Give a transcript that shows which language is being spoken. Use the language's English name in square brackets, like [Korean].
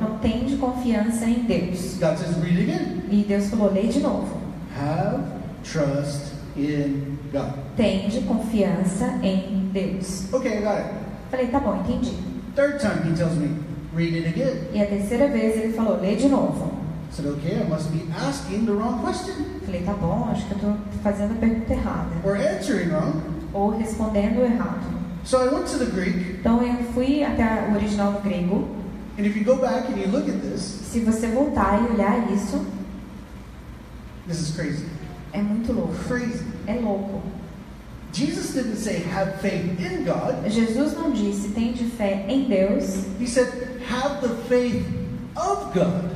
[Portuguese] Não tende confiança em Deus. [English] God says, read it again. [Portuguese] E Deus falou, lê de novo. [English] Have trust in God. [Portuguese] Tende confiança em Deus. [English] Okay, I got it. [Portuguese] Falei, tá bom, entendi. [English] Third time he tells me, read it again. [Portuguese] E a terceira vez ele falou, lê de novo. [English] Said, okay, I must be asking the wrong question. [Portuguese] Falei, tá bom, acho que eu tô fazendo a pergunta errada. [English] Or answering wrong. [Portuguese] Ou respondendo errado. [English] So I went to the Greek. [Portuguese] Então eu fui até o original do grego. [English] And if you go back and you look at this. [Portuguese] Se você voltar e olhar isso. [English] This is crazy. [Portuguese] É muito louco. [English] Crazy. [Portuguese] É louco. [English] Jesus didn't say have faith in God. [Portuguese] Jesus não disse tende fé em Deus. [English] He said have the faith of God.